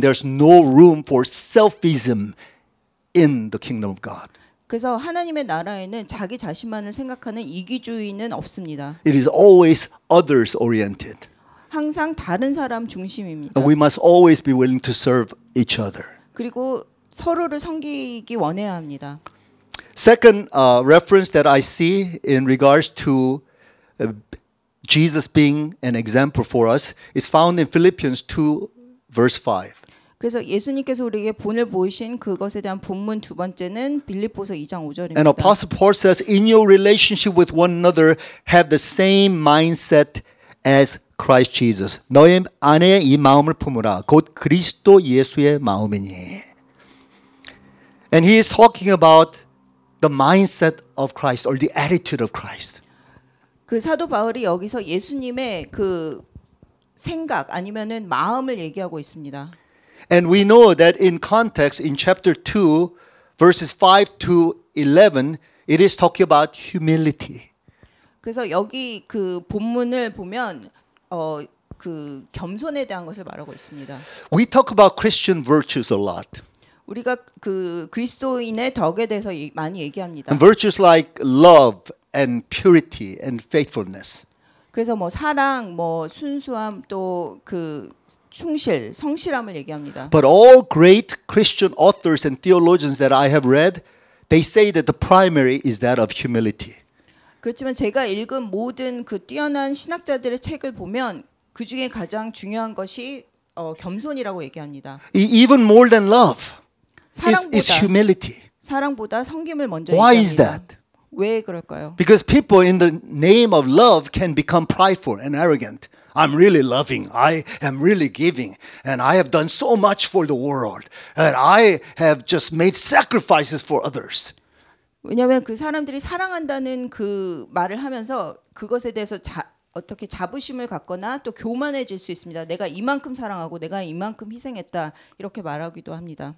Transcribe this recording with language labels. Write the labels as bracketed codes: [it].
[en] There's no room for selfism in the kingdom of God. [ko] 그래서 하나님의 나라에는 자기 자신만을 생각하는 이기주의는 없습니다. [en] It is always others oriented. [ko] 항상 다른 사람 중심입니다. [en] And we must always be willing to serve each other. [ko] 그리고 서로를 섬기기 원해야 합니다. [en] Second reference that I see in regards to Jesus being an example for us is found in Philippians 2 verse 5. [ko] 그래서 예수님께서 우리에게 본을 보이신 그것에 대한 본문 두 번째는 빌립보서 2장 5절입니다. [en] And Apostle Paul says, "In your relationship with one another, have the same mindset as Christ Jesus." [ko] 너의 안에 이 마음을 품으라. 곧 그리스도 예수의 마음이니. [en] And he is talking about the mindset of Christ or the attitude of Christ. [ko] 그 사도 바울이 여기서 예수님의 그 생각 아니면은 마음을 얘기하고 있습니다. [en] And we know that in context in chapter 2 verses 5 to 11 it is talking about humility. [ko] 그래서 여기 그 본문을 보면 그 겸손에 대한 것을 말하고 있습니다. [en] We talk about Christian virtues a lot. [ko] 우리가 그 그리스도인의 덕에 대해서 많이 얘기합니다. [en] And virtues like love and purity and faithfulness. [ko] 그래서 뭐 사랑, 뭐 순수함 또 그 충실, 성실함을 얘기합니다. [en] But all great Christian authors and theologians that I have read, they say that the primary is that of humility. [ko] 그렇지만 제가 읽은 모든 그 뛰어난 신학자들의 책을 보면 그 중에 가장 중요한 것이 겸손이라고 얘기합니다. [en] Even more than love. It's humility. [ko] 사랑보다 섬김을 먼저 [en] Why [ko] 얘기합니다. [en] Is that? [ko] 왜 그럴까요? [en] Because people in the name of love can become prideful and arrogant. I'm really loving. I am really giving. And I have done so much for the world. And I have just made sacrifices for others. [ko] 왜냐하면 그 사람들이 사랑한다는 그 말을 하면서 그것에 대해서 어떻게 자부심을 갖거나 또 교만해질 수 있습니다. 내가 이만큼 사랑하고 내가 이만큼 희생했다 이렇게 말하기도 합니다.